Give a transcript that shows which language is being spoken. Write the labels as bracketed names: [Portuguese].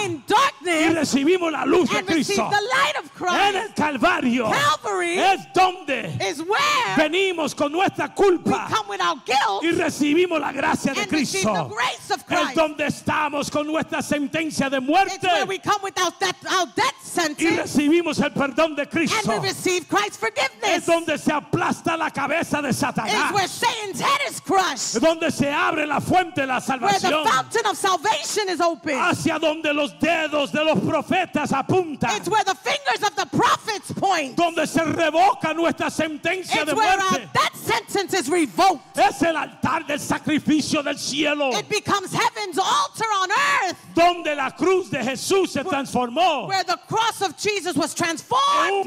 [English] In darkness. [Spanish] Y recibimos la luz de Cristo. [English] And receive the light of Christ. [Spanish] En el Calvario. [English] Calvary [Spanish] es donde [English] is where [Spanish] venimos con nuestra culpa [English] we come with our guilt [Spanish] y recibimos la gracia de Cristo. [English] And receive the grace of Christ. [Spanish] Es donde estamos con nuestra sentencia de muerte. [English] It's where we come with our death sentence. [Spanish] Y recibimos el perdón de Cristo. [English] And we receive Christ's forgiveness. [Spanish] Es donde se aplasta la cabeza de Satanás. [English] It's where Satan's head is crushed. [Spanish] Es donde se abre la fuente de la salvación. [English] Where the fountain of salvation is open. [Spanish] Hacia donde los dedos de los profetas apuntan. [English] It's where the fingers of the prophets point. [Spanish] Donde se revoca nuestra sentencia [English] it's [Spanish] de muerte. [English] Where our death sentence is revoked. [Spanish] Es el altar del sacrificio del cielo. [English] It becomes heaven's altar on earth. [Spanish] Donde la cruz de Jesús se transformó. [English] Where the cross of Jesus was transformed.